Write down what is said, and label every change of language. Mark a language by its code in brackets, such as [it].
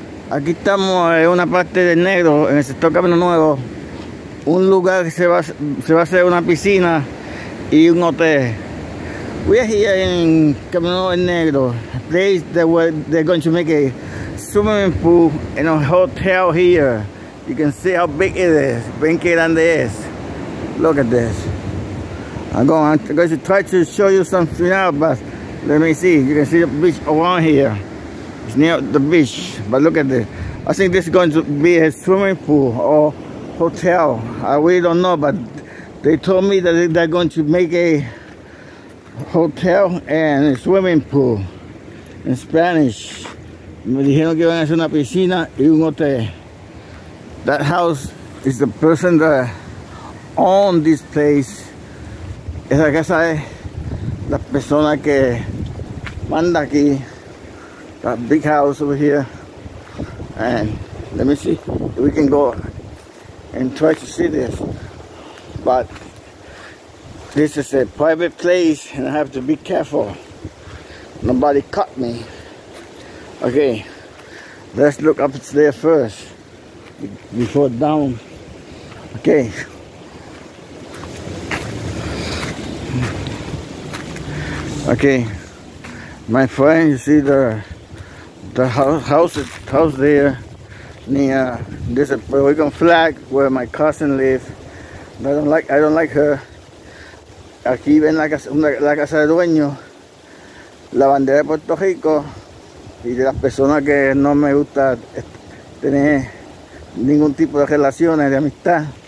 [es] Aquí estamos en una parte de Negro, en el sector Camino Nuevo. Un lugar que se va a hacer una piscina y un hotel. [en] We are here in Camino Nuevo, Negro. A place that they're going to make a swimming pool and a hotel here. You can see how big it is. [es] Ven que grande es. [en] Look at this. I'm going to try to show you something now, but let me see. You can see the beach around here. It's near the beach, but look at this. I think this is going to be a swimming pool or hotel. I really don't know, but they told me that they're going to make a hotel and a swimming pool in Spanish. [es] Me dijeron que van a hacer una piscina y un hotel. [en] That house is the person that owned this place. [es] Esa casa es la persona que manda aquí. [en] That big house over here. And let me see if we can go and try to see this. But this is a private place and I have to be careful. Nobody caught me. Okay, let's look up there first before down. Okay. Okay, my friend, you see the house there near this Puerto Rican flag where my cousin lives. I don't like her. [es] Aquí ven la casa del dueño, la bandera de Puerto Rico y de las personas que no me gusta tener ningún tipo de relaciones de amistad.